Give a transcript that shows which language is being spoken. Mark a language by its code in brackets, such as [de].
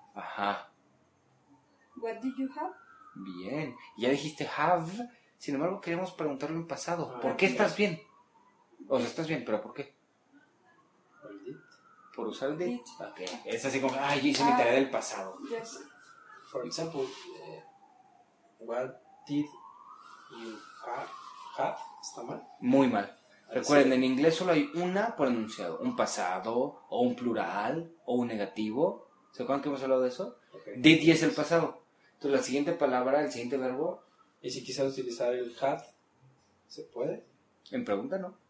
[es] Ajá. [en] What did you have? [es] Bien. Ya dijiste have. Sin embargo, queremos preguntarle en pasado. ¿Por qué estás bien? O sea, estás bien, pero ¿por qué? Por usar el [en] did. [es] Ok. Es así como, ay, yo hice mi tarea del pasado. [en] Yes. For example, what did you have? [es] ¿Está mal? Muy mal. Recuerden, en inglés solo hay una por enunciado. Un pasado, o un plural, o un negativo. ¿Se acuerdan que hemos hablado de eso? Okay. Did y es el pasado. Entonces, la siguiente palabra, el siguiente verbo. ¿Y si quisiera utilizar el had, se puede? En pregunta no.